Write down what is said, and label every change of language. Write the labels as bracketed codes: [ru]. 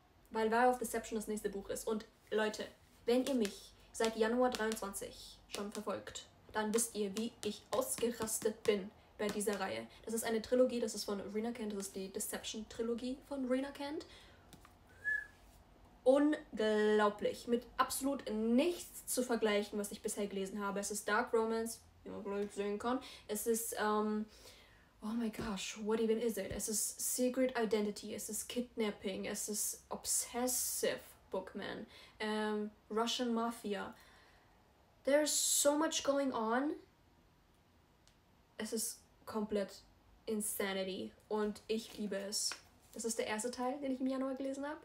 [de] Weil Vow of Deception das nächste Buch ist. Und Leute, wenn ihr mich seit Januar 23 schon verfolgt, dann wisst ihr, wie ich ausgerastet bin bei dieser Reihe. Das ist eine Trilogie, das ist von Rena Kent, das ist die Deception-Trilogie von Rena Kent. Unglaublich. Mit absolut nichts zu vergleichen, was ich bisher gelesen habe. Es ist Dark Romance, wie man vielleicht sehen kann. Es ist, [en] oh my gosh, what even is it? [de] Es ist Secret Identity, es ist Kidnapping, es ist Obsessive Bookman, Russian Mafia. [en] There's so much going on. [de] Es ist komplett Insanity. Und ich liebe es. Das ist der erste Teil, den ich im Januar gelesen habe.